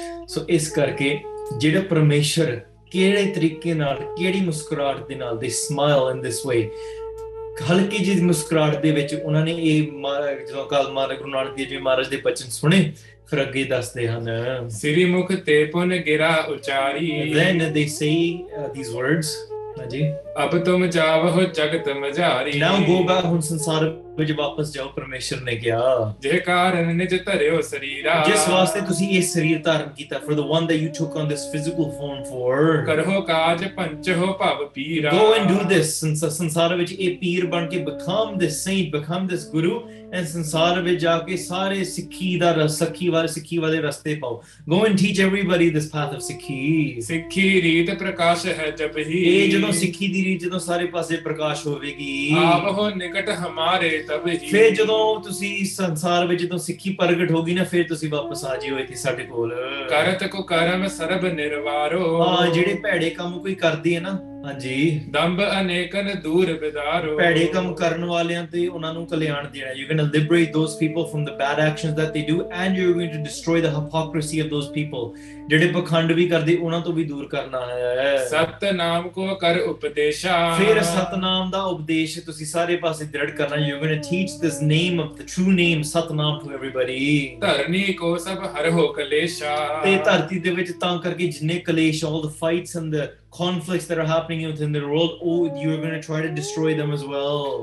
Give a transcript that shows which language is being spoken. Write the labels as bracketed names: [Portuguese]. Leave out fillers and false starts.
[Punjabi] ਸੋ ਇਸ ਕਰਕੇ ਜਿਹੜਾ ਪਰਮੇਸ਼ਰ ਕਿਹੜੇ ਤਰੀਕੇ ਨਾਲ ਕਿਹੜੀ ਮੁਸਕਰਾਹਟ ਦੇ ਨਾਲ [English] ਦੇ smile in this way, [Punjabi] ਹਲਕੀ ਜਿਹੀ ਮੁਸਕਰਾਹਟ ਦੇ ਵਿੱਚ ਉਹਨਾਂ ਨੇ ਇਹ ਜਦੋਂ ਕਾਲ ਮਹਾਰਾਜ ਗੁਰੂ ਨਾਨਕ ਦੇਵ ਜੀ ਮਹਾਰਾਜ ਦੇ ਬਚਨ ਸੁਣੇ, ਫਿਰ ਅੱਗੇ ਦੱਸਦੇ ਹਨ, ਸ੍ਰੀ ਮੁਖ ਤੇ ਪੁਨ ਗਿਰਾ ਉਚਾਰੀ, [English] then they say these words, ਹਾਂਜੀ, [Punjabi] ਅਬ ਤੁਮ ਜਾਵਹੁ ਜਗਤ ਮਝਾਰੀ, [English] now go back, [Punjabi] ਹੁਣ ਸੰਸਾਰ ਵਿੱਚ ਵਾਪਸ ਜਾਓ, ਪਰਮੇਸ਼ਰ ਨੇ ਕਿਹਾ, ਜੇ ਕਾਰਨ ਨਿਜ ਧਰਿਓ ਸਰੀਰਾ, ਜਿਸ ਵਾਸਤੇ ਤੁਸੀਂ ਇਹ ਸਰੀਰ ਧਾਰਨ ਕੀਤਾ, [English] for the one that you took on this physical form for, [Punjabi] ਕਰਹੋ ਕਾਜ ਪੰਚ ਹੋ ਭਵ ਪੀਰਾ, [English] go and do this, [Punjabi] ਸੰਸਾਰ ਵਿੱਚ ਇਹ ਪੀਰ ਬਣ ਕੇ, [English] become this saint, become this guru, and [Punjabi] ਸੰਸਾਰ ਵਿੱਚ ਜਾ ਕੇ ਸਾਰੇ ਸਿੱਖੀ ਦਾ ਸਿੱਖੀ ਵਾਲੇ ਰਸਤੇ ਪਾਓ, [English] go and teach everybody this path of ਸਿੱਖੀ, [Punjabi] ਸਿੱਖੀ ਰੀਤ ਪ੍ਰਕਾਸ਼ ਹੈ ਜਪ ਹੀ, ਇਹ ਜਦੋਂ ਸਿੱਖੀ ਦੀ ਰੀਤ ਜਦੋਂ ਸਾਰੇ ਪਾਸੇ ਪ੍ਰਕਾਸ਼ ਹੋਵੇਗੀ, ਆਪਹੁ ਨਿਕਟ ਹਮਾਰੇ, ਫਿਰ ਜਦੋਂ ਤੁਸੀਂ ਸੰਸਾਰ ਵਿੱਚ ਜਦੋਂ ਸਿੱਖੀ ਪ੍ਰਗਟ ਹੋ ਗਈ ਨਾ, ਫਿਰ ਤੁਸੀਂ ਵਾਪਸ ਆ ਜਾਇਓ ਇੱਥੇ ਸਾਡੇ ਕੋਲ, ਕਰਤ ਕੋ ਕਰਮ ਸਰਬ ਨਿਰਵਾਰੋ, ਜਿਹੜੇ ਭੈੜੇ ਕੰਮ ਕੋਈ ਕਰਦੀ ਹੈ ਨਾ, ਹਾਂਜੀ, ਦੰਭ ਅਨੇਕਨ ਦੂਰ ਬਿਦਾਰੋ, ਭੈੜੇ ਕੰਮ ਕਰਨ ਵਾਲਿਆਂ ਤੇ ਉਹਨਾਂ ਨੂੰ ਕਲਿਆਣ ਦੇਣਾ, [English] you can liberate those people from the bad actions that they do, and you are going to destroy the hypocrisy of those people, [Punjabi] ਜਿਹੜੇ ਪਖੰਡ ਵੀ ਕਰਦੇ ਉਹਨਾਂ ਤੋਂ ਵੀ ਦੂਰ ਕਰਨਾ ਹੈ, ਸਤਨਾਮ ਕੋ ਕਰ ਉਪਦੇਸ਼ਾ, ਫਿਰ ਸਤਨਾਮ ਦਾ ਉਪਦੇਸ਼ ਤੁਸੀਂ ਸਾਰੇ ਪਾਸੇ ਦ੍ਰਿੜ ਕਰਨਾ, [English] you going to teach this name of the true name Satnam to everybody, [Punjabi] ਧਰਨੀ ਕੋ ਸਭ ਹਰ ਹੋ ਕਲੇਸ਼ਾ, ਤੇ ਧਰਤੀ ਦੇ ਵਿੱਚ ਤਾਂ ਕਰਕੇ ਜਿੰਨੇ ਕਲੇਸ਼ [English] All the fights in the conflicts that are happening within the world, oh, you are going to try to destroy them as well.